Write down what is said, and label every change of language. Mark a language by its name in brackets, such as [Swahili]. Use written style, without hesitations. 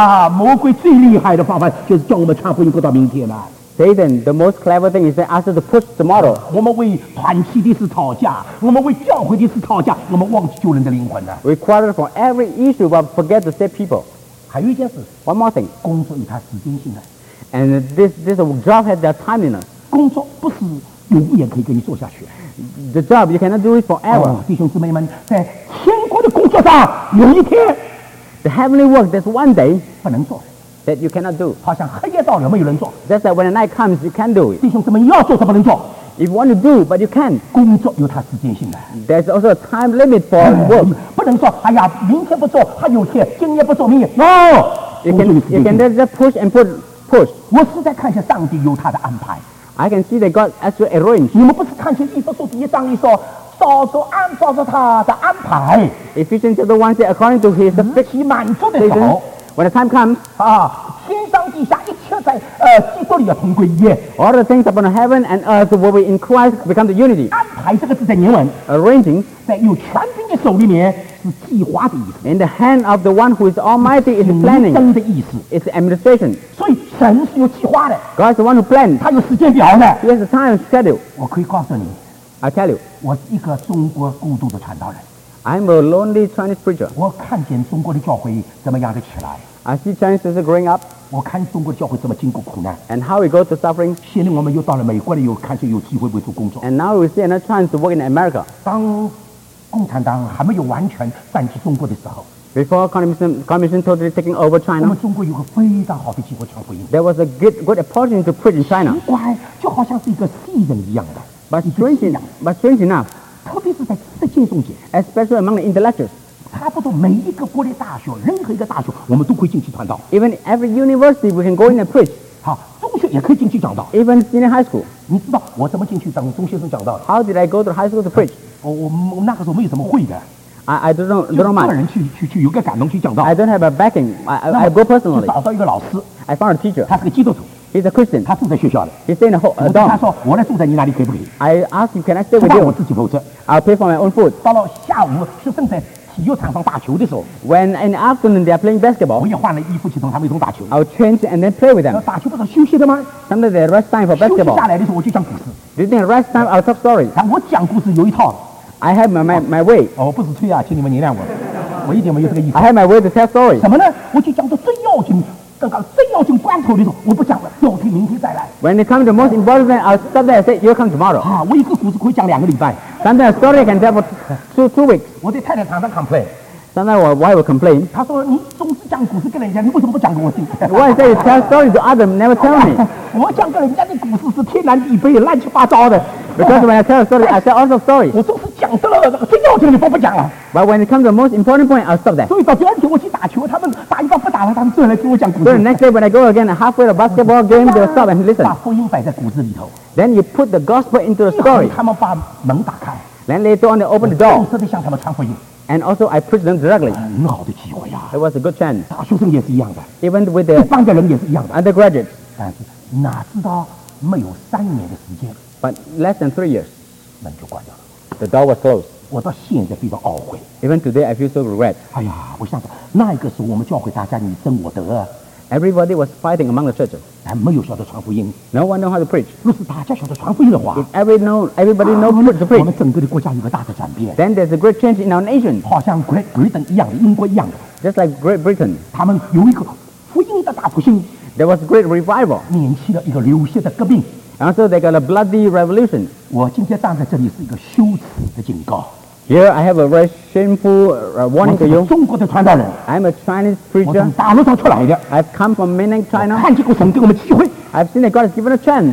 [Chinese] 魔鬼最厉害的方法就是叫我们传福音过到明天了。 [English] Satan, the most clever thing is to ask us to push tomorrow. [Chinese] 我们为团契的事吵架，我们为教会的事吵架，我们忘记救人的灵魂了。 [English] We quarrel for every issue, but forget to save people. [Chinese] 还有一件事 [English] ，One more thing. [Chinese] 工作有它时间性的 [English] ，and this job has their timeliness. [Chinese] 工作不是永远可以给你做下去。 [English] The job you cannot do it forever. [Chinese] 弟兄姊妹们，在天国的工作上有一天 [English] ，the heavenly work there's one day [Chinese] 不能做。 [English] That you cannot do. [Chinese] 好像黑夜到了没有人做。 [English] That's that when the night comes, you can't do it. [Chinese] 弟兄姊妹，你要做什么能做 [English] ？If you want to do, but you can't. [Chinese] 工作有它时间性的。 [English] There's also a time limit for work. [Chinese] 不能说哎呀，明天不做，还有天，今夜不做明夜。 [English] No. You can just push and push. [Chinese] 我是在看见上帝有他的安排。 [English] I can see that God actually arranged. [Chinese] 你们不是看见一本书第一章里说？照着按照着他的安排。 [English] Ephesians chapter 1 says according to His [Chinese] fix. 日期满足的时候。 [English] When the time comes, [Chinese] 天上地下一切在基督里要同归一。 [English] All the things upon heaven and earth will be in Christ become the unity. [Chinese] 安排这个字在原文 [English] arranging [Chinese] 在有权柄的手里面是计划的意思。 [English] In the hand of the one who is Almighty is planning. [Chinese] 行政的意思 [English] is administration. [Chinese] 所以神是有计划的。 [English] God is the one who plans. [Chinese] 他有时间表的。 [English] He has a time schedule. [Chinese] 我可以告诉你 [English] ，I tell you， [Chinese] 我是一个中国孤独的传道人。 [English] I'm a lonely Chinese preacher. [Chinese] 我看见中国的教会怎么样的起来。 [English] I see Chinese is growing up. [Chinese] 我看中国的教会怎么经过苦难。 [English] And how it goes to suffering. [Chinese] 现在我们又到了美国的又看见有机会为主工作。 [English] And now we see another chance to work in America. [Chinese] 当共产党还没有完全占据中国的时候。 [English] Before communism totally taking over China. [Chinese] 我们中国有个非常好的机会传福音。 [English] There was a good opportunity to preach in China. [Chinese] 奇怪，就好像是一个新人一样的。 [English] But strange enough. [Chinese] 特别是在世界中间 [English] especially among the intellectuals [Chinese] 差不多每一个国立大学，任何一个大学，我们都可以进去传道。 [English] Even every university, we can go in and preach. [Chinese] 好，中学也可以进去讲道。 [English] Even senior high school. [Chinese] 你知道我怎么进去当中学生讲道 [English] ？How did I go to high school to preach? [Chinese] 我那个时候没有什么会的。 [English] I don't mind. [Chinese] 个人去有个感动去讲道。 [English] I don't have a backing. I go personally. [Chinese] 找到一个老师。 [English] I found a teacher. [Chinese] 他是个基督徒。 [English] He's a Christian. [Chinese] 他住在学校里。 [English] He's staying at home. [Chinese] 他说我来住在你那里可以不可以 [English] ？I ask you, can I stay with you? [Chinese] 我自己负责。 [English] I'll pay for my own food. [Chinese] 到了下午是正在体育场上打球的时候。 [English] When in the afternoon they are playing basketball. [Chinese] 我也换了衣服去同他们一同打球。 [English] I'll change and then play with them. [Chinese] 打球不是休息的吗 [English] ？Sometimes they rest time for basketball. [Chinese] 休息下来的时候我就讲故事。 [English] During rest time, I'll talk story. [Chinese] 我讲故事有一套。 [English] I have my way. [Chinese] 我不是吹啊，请你们原谅我。我一点没有这个意思。 [English] I have my way to tell story. [Chinese] 什么呢？我就讲到最要紧。刚刚最要紧关头的时候，我不讲了，要听明天再来。 [English] When it comes to most important, I'll stop there and say, you'll come tomorrow. [Chinese] 啊，我一个故事可以讲两个礼拜。 [English] Sometimes a story can tell for two weeks. [Chinese] 我在太太常常 complain. [English] Sometimes my wife will complain. [Chinese] 她说你总是讲故事给人家，你为什么不讲给我听 [English] ？Why say you tell story to others, never tell me? [Chinese] 我讲给人家的故事是天南地北、乱七八糟的。 [English] Because when I tell a story, I tell also story. [Chinese] 我总是讲到了最要紧的，我不讲了。 [English] But when it comes to the most important point, I'll stop that. [Chinese] 所以到第二天我去打球，他们打一半不打了，他们正来听我讲故事。 [English] So the next day when I go again, halfway the basketball game, they'll stop and listen. [Chinese] 把福音摆在骨子里头。 [English] Then you put the gospel into the story. [Chinese] 他们把门打开。 [English] Then later on they open the door. [Chinese] 正式地向他们传福音。 [English] And also I preach them directly. [Chinese] 很好的机会呀。 [English] It was a good chance. [Chinese] 大学生也是一样的。 [English] Even with the [Chinese] 一般的人也是一样的。 [English] Undergraduate. [Chinese] 但是哪知道没有三年的时间。 [English] But less than 3 years. [Chinese] 门就关掉了。 [English] The door was closed. [Chinese] 我到现在非常懊悔。 [English] Even today, I feel so regret. [Chinese] 哎呀，我想想，那一个时候我们教会大家你争我得。 [English] Everybody was fighting among the churches. [Chinese] 还没有晓得传福音。 [English] No one know how to preach. [Chinese] 若是大家晓得传福音的话 [English] ，Everybody know how to preach. [Chinese] 我们整个的国家有个大的转变。 [English] Then there's a great change in our nation. [Chinese] 好像 Great Britain 一样的，英国一样的。 [English] Just like Great Britain. [Chinese] 他们有一个福音的大复兴。 [English] There was a great revival. [Chinese] 年轻的一个流血的革命。 [English] And so they got a bloody revolution. [Chinese] 我今天站在这里是一个羞耻的警告。 [English] Here I have a very shameful warning to you. [Chinese] 我是中国的传道人。 [English] I'm a Chinese preacher. [Chinese] 我从大陆上出来的。 [English] I've come from mainland China. [Chinese] 看见过神给我们机会。 [English] I've seen that God has given a chance.